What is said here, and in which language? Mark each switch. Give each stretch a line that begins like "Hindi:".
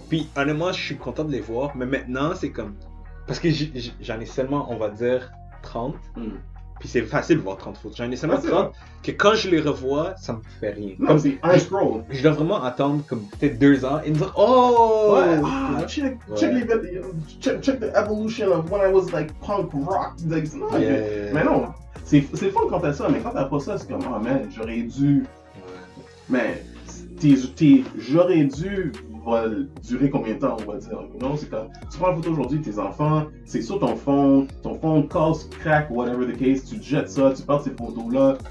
French: Puis, honnêtement, je suis content de les voir. Mais maintenant, c'est comme... Parce que j'en ai seulement, on va dire, 30. Puis, c'est facile de voir 30 photos. J'en ai seulement 30. Vrai. Que quand je les revois, ça me fait rien. Non, comme, c'est un scroll. Je dois vraiment attendre comme peut-être 2 ans et me dire, oh!
English: Check the evolution of when I was like punk rock.
French: Like, non, mais non. C'est fun quand t'as ça. Mais quand t'as pas ça, c'est comme, oh man, j'aurais dû... Mais... j'aurais dû va durer combien de temps, on va dire. Non, c'est quand tu prends la photo aujourd'hui de tes enfants, c'est sur ton phone casse, crack,
English: whatever the case,
French: tu jettes ça, tu perds ces photos-là.